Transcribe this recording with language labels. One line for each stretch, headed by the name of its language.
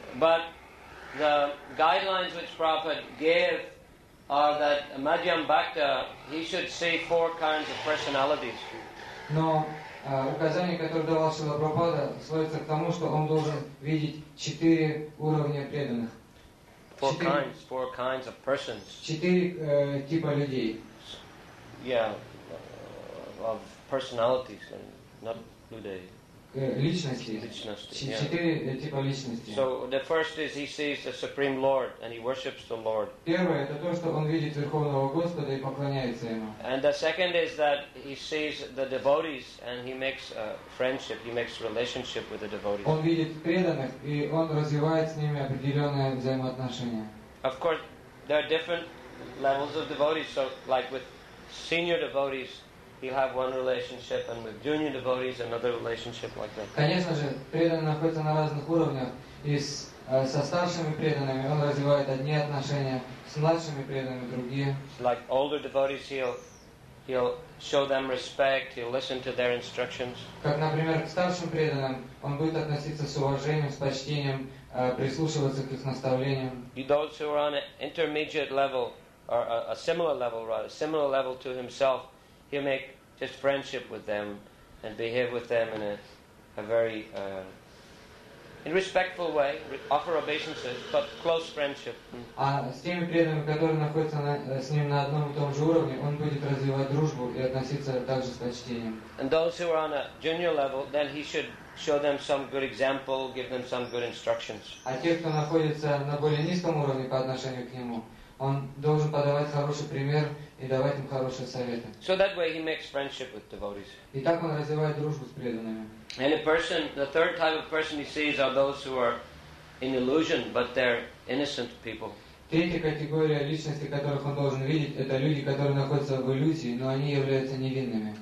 English: But the guidelines which Prabhupada gave are that Madhyam Bhakta, he should see four kinds of personalities.
Russian: Но указание, которое давал Шрила Прабхупада, сводится к тому, что он должен видеть четыре уровня преданных.
English: Four kinds of persons.
Russian: Четыре типа людей.
English: Yeah, of personalities, and not who they.
Russian: Личности. Четыре типа личности.
English: So the first is he sees the Supreme Lord and he worships the Lord.
Russian: Первое это то, что он видит Верховного Господа и поклоняется ему.
English: And the second is that he sees the devotees and he makes a friendship, he makes relationship with the devotees.
Russian: Он видит преданных и он развивает с ними определенные взаимоотношения.
English: Of course, there are different levels of devotees. So like with senior devotees, he'll have one relationship, and with junior devotees, another relationship like that.
Russian: Конечно же, преданный находится на разных уровнях, и со старшими преданными он развивает одни отношения, с младшими преданными другие.
English: Like older devotees, he'll show them respect, he'll listen to their instructions.
Russian: Как, например, к старшим преданным он будет относиться с уважением, с почтением, прислушиваться к их наставлениям.
English: You those who are on an intermediate level, or a similar level, rather, similar level to himself, he'll make just friendship with them and behave with them in a very in respectful way, offer obeisances, but close friendship.
Russian: А с теми преданными, которые находятся с ним на одном и том же уровне, он будет развивать дружбу и относиться также с почтением.
English: And those who are on a junior level, then he should show them some good example, give them some good instructions.
Russian: А те, кто находится на более низком уровне по отношению к нему, он должен подавать хороший пример и давать им хорошие советы.
English: So that way he makes friendship with devotees.
Russian: И так он развивает дружбу с преданными.
English: And a person, the third type of person he sees are those who are in illusion, but they're innocent people.
Russian: Третья категория личности, которых он должен видеть, это люди, которые находятся в иллюзии, но они являются невинными.